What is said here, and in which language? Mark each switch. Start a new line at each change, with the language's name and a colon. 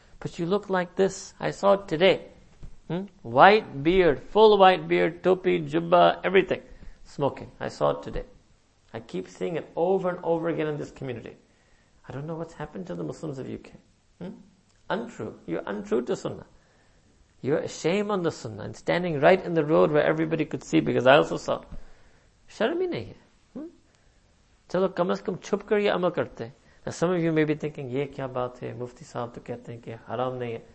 English: But you look like this. I saw it today. White beard, full white beard, topi, jubba, everything. Smoking. I saw it today. I keep seeing it over and over again in this community. I don't know what's happened to the Muslims of UK. Untrue. You're untrue to Sunnah. You're a shame on the Sunnah. And standing right in the road where everybody could see, because I also saw.
Urdu: شرمی نہیں ہے۔ چلو کم از کم چپ کر یہ عمل کرتے۔
English: Now some of you may be thinking,
Urdu: یہ کیا بات ہے؟ مفتی صاحب تو کہتے ہے کہ حرام نہیں ہے۔